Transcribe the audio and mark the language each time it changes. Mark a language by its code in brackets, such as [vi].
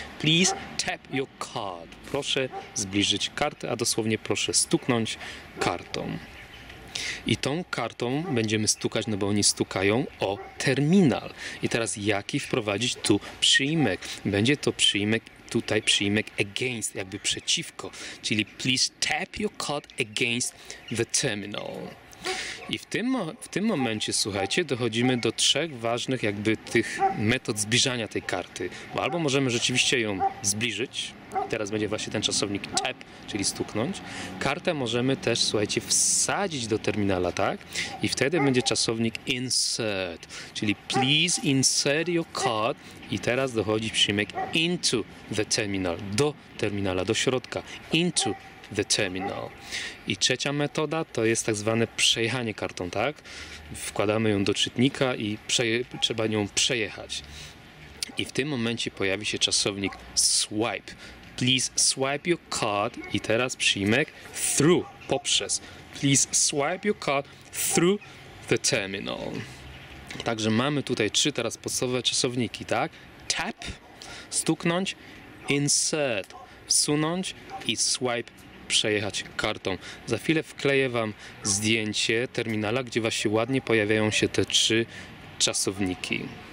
[en] Please tap your card. [pl] Proszę zbliżyć kartę, a dosłownie proszę stuknąć kartą. I tą kartą będziemy stukać, no bo oni stukają o terminal. I teraz jaki wprowadzić tu przyimek? Będzie to przyimek, tutaj przyimek against, jakby przeciwko. [en] Czyli please tap your card against the terminal. [pl] I w tym momencie, słuchajcie, dochodzimy do trzech ważnych jakby tych metod zbliżania tej karty. Bo albo możemy rzeczywiście ją zbliżyć. Teraz będzie właśnie ten czasownik tap, czyli stuknąć. Kartę możemy też, słuchajcie, wsadzić do terminala, tak? I wtedy będzie czasownik insert, czyli [en] please insert your card. [pl] I teraz dochodzi przyimek [en] into the terminal, [pl] do terminala, do środka. [en] Into the terminal. [pl] I trzecia metoda to jest tak zwane przejechanie kartą, tak? Wkładamy ją do czytnika i trzeba nią przejechać. I w tym momencie pojawi się czasownik swipe. [en] Please swipe your card. [pl] I teraz przyimek through, poprzez. [en] Please swipe your card through the terminal. [pl] Także mamy tutaj trzy teraz podstawowe czasowniki, tak? Tap, stuknąć, insert, wsunąć i swipe, przejechać kartą. Za chwilę wkleję wam zdjęcie terminala, gdzie właśnie ładnie pojawiają się te trzy czasowniki.